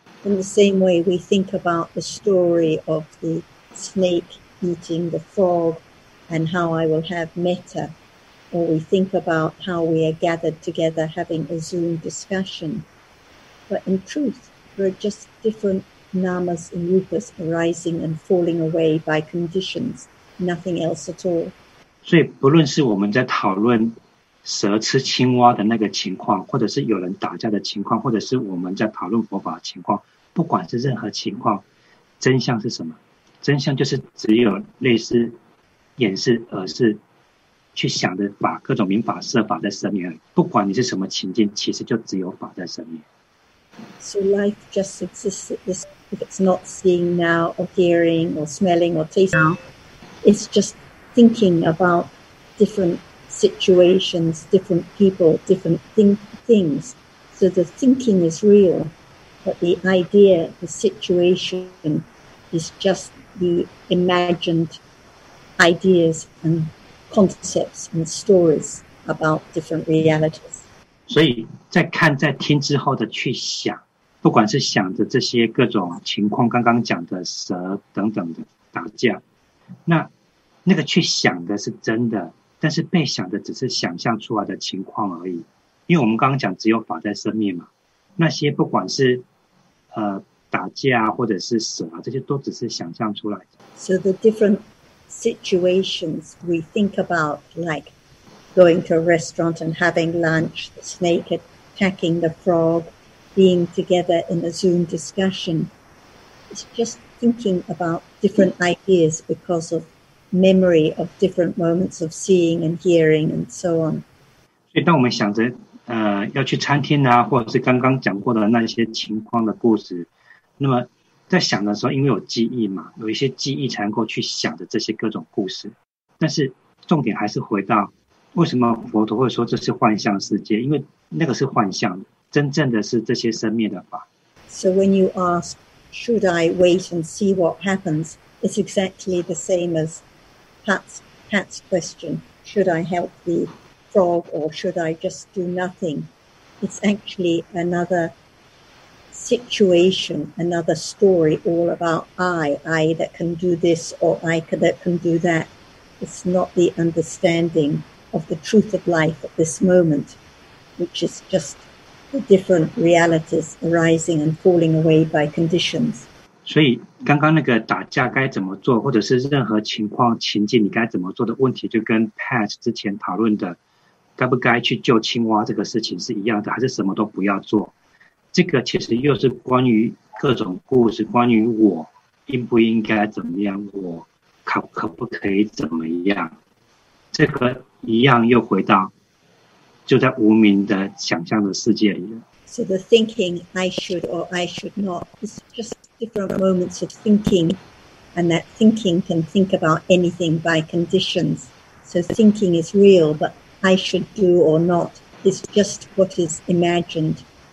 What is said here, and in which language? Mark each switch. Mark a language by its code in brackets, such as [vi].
[en] In the same way, we think about the story of the snake eating the frog, and how I will have metta, or we think about how we are gathered together having a Zoom discussion. But in truth, there are just different namas and rupas arising and falling away by conditions, nothing else at all. [zh] 所以，不论是我们在讨论。蛇吃青蛙的那个情况，或者是有人打架的情况，或者是我们在讨论佛法的情况，不管是任何情况，真相是什么？真相就是只有类似掩饰，而是去想着法，各种明法设法在生灭，不管你是什么情境，其实就只有法在生灭。 [en] So life just exists at this, if it's not seeing now, or hearing, or smelling, or tasting, it's just thinking about different situations, different people, different things. So the thinking is real, but the idea, the situation, is just the imagined ideas and concepts and stories about different realities. [zh] 所以在看在听之后的去想，不管是想着这些各种情况，刚刚讲的蛇等等的打架，那个去想的是真的，但是被想的只是想象出来的情况而已。因为我们刚刚讲只有法在生灭嘛，那些不管是打架或者是蛇啊，这些都只是想象出来的。 [en] So the different situations we think about, like going to a restaurant and having lunch, the snake attacking the frog, being together in a Zoom discussion, it's just thinking about different ideas because of memory of different moments of seeing and hearing and so on. [zh] 所以当我们想着要去餐厅啊，或者是刚刚讲过的那些情况的故事，那么在想的时候，因为有记忆嘛，有一些记忆才能够去想着这些各种故事。但是重点还是回到为什么佛陀会说这是幻象世界，因为那个是幻象的，真正的是这些生灭的法。 [en] So when you ask, should I wait and see what happens, it's exactly the same as Pat's question, should I help the frog or should I just do nothing? It's actually anotherSituation, another story, all about I that can do this or I that can do that. It's not the understanding of the truth of life at this moment, which is just the different realities arising and falling away by conditions. [zh] 所以刚刚那个打架该怎么做，或者是任何情况情境你该怎么做的问题，就跟 Pat 之前讨论的该不该去救青蛙这个事情是一样的，还是什么都不要做。这个其实又是关于各种故事，关于我应不应该怎么样，我可不可以怎么样，这个一样又回到就在无明的想象的世界里了。 [en] So the thinking I should or I should not is just different moments of thinking, and that thinking can think about anything by conditions. So thinking is real, but I should do or not is just what is imagined.